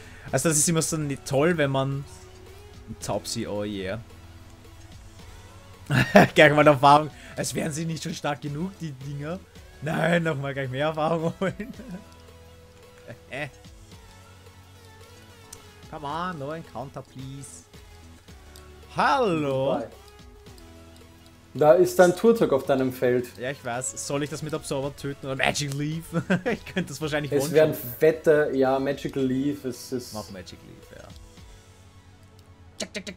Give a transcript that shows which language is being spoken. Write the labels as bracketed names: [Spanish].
[German] Also das ist immer so nicht toll, wenn man Taubsi, [English] oh yeah. [German] Gleich mal Erfahrung, als wären sie nicht schon stark genug, die Dinger. Nein, nochmal gleich mehr Erfahrung holen. [English] Come on, no encounter, please. [German] Hallo. Da ist dein Turtok auf deinem Feld. Ja, ich weiß. Soll ich das mit Absorber töten oder Magic Leaf? Ich könnte das wahrscheinlich wollen. Es wäre ein fetter, ja, Magic Leaf. Es ist. Mach Magic Leaf, ja.